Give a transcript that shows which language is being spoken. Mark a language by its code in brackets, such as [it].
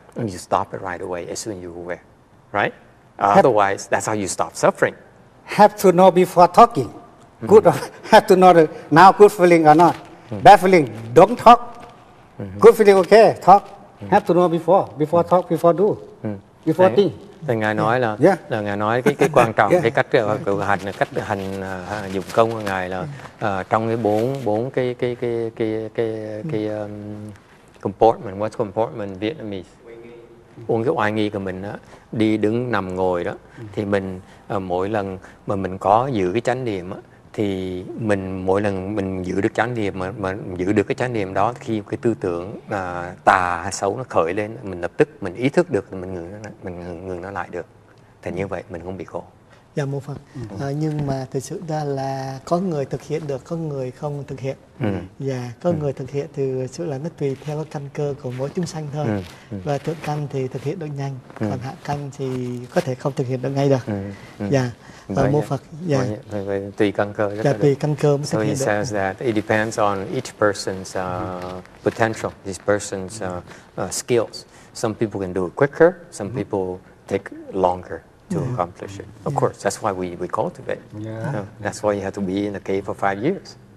[en] And you stop it right away as soon as you're aware, right? Otherwise, that's how you stop suffering. Have to know before talking. Good. Have to know the now good feeling or not. Bad feeling, don't talk. Good feeling, okay, talk. Have to know before talk, before do, before think. [vi] Thì Ngài nói là Ngài nói cái quan trọng cái cách hành dụng công của Ngài là trong cái bốn cái [en] comportment, what's comportment in Vietnamese? [vi] Uống cái oai nghi của mình đó, đi đứng nằm ngồi đó, thì mình mỗi lần mà mình có giữ cái chánh niệm á, thì mình mỗi lần mình giữ được chánh niệm mà giữ được cái chánh niệm đó, khi cái tư tưởng tà xấu nó khởi lên, mình lập tức mình ý thức được, mình ngừng nó lại được, thì như vậy mình không bị khổ. Dạ một phần. Nhưng mà thực sự ra là có người thực hiện được, có người không thực hiện. Dạ, có người thực hiện thì thực sự là nó tùy theo cái căn cơ của mỗi chúng sanh thôi. Và thượng căn thì thực hiện được nhanh, còn hạ căn thì có thể không thực hiện được ngay được. Dạ. [en] So he says that it depends on each person's potential, this person's skills. Some people can do it quicker, some people take longer to accomplish it. Of course, that's why we cultivate. That's why you have to be in a cave for 5 years.